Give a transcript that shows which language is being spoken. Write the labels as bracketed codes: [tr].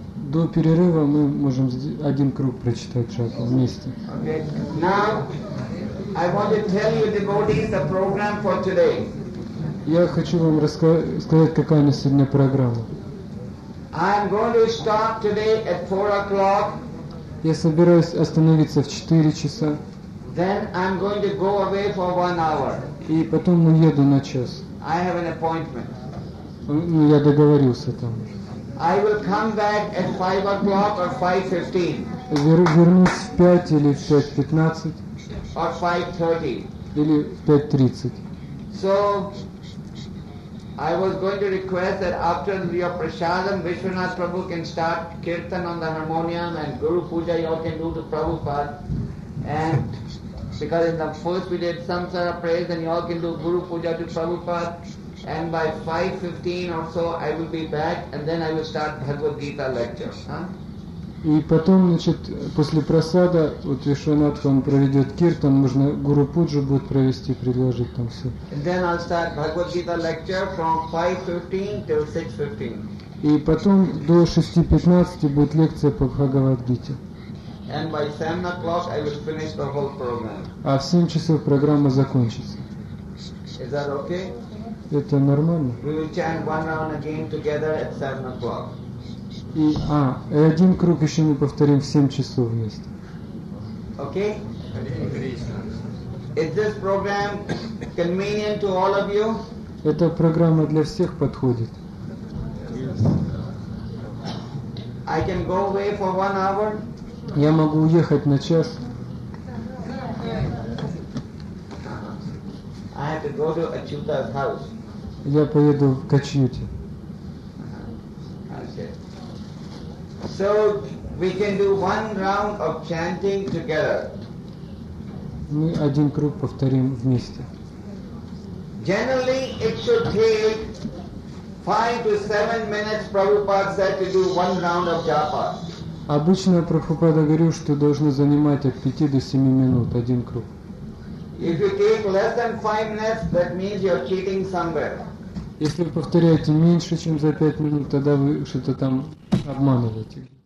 [ru] До перерыва мы можем один круг прочитать джапу вместе. [en] Okay. Now I want to tell you the devotees the program for today. [ru] Я хочу вам рассказать, какая у нас сегодня программа. [en] I'm going to start today at 4 o'clock. [ru] Я собираюсь остановиться в 4 часа. [en] Then I'm going to go away for 1 hour. [ru] И потом уеду на час. [en] I have an appointment. [ru] Ну, я договорился там. [en] I will come back at 5 o'clock or 5:15. [ru] Вернусь в 5 или в 5:15. [en] Or 5:30. [ru] Или в 5:30. [en] So I was going to request that after your prasadam, Vishwanath Prabhu can start kirtan on the harmonium and Guru Puja you all can do to Prabhupada. And because in the first we did samsara praise, then you all can do Guru Puja to Prabhupada. And by 5:15 or so, I will be back, and then I will start Bhagavad Gita lecture. [ru] И потом, значит, после прасада, вот Вишванатха он проведет киртан, можно Гуру Пуджу будет провести, предложить там все. [en] Then I'll start Bhagavad Gita lecture from 5:15 till 6:15. [ru] И потом до 6:15 будет лекция по Бхагавад Гите. [en] And by 7 o'clock I will finish the whole program. [ru] А в 7 часов программа закончится. [en] Is that okay? [ru] Это нормально? [en] We will chant one round again together at 7 o'clock. [ru] И один круг еще мы повторим в 7 часов вместе. [en] Okay? Is this program convenient to all of you? [ru] Эта программа для всех подходит. [en] I can go away for 1 hour. [ru] Я могу уехать на час. [en] I have to go to Achyuta's house. [ru] Я поеду к Ачьюте. [en] So we can do one round of chanting together. [ru] Мы один круг повторим вместе. [en] Generally it should take 5 to 7 minutes, Prabhupada said, to do one round of japa. [ru] Обычно Прабхупада говорил, что должно занимать от 5 до 7 минут один круг. [en] If you take less than 5 minutes, that means you're cheating somewhere. [ru] Если вы повторяете меньше, чем за 5 минут, тогда вы что-то там обманываете.